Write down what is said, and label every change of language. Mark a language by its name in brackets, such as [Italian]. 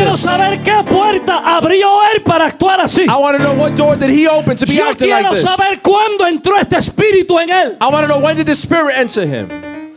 [Spanish] Yo quiero saber qué puerta abrió él para actuar así. [English] I want to know what door did he open to be acting like this. [Spanish] Yo quiero saber cuándo entró este espíritu en él. [English] I want to know when did the spirit enter him.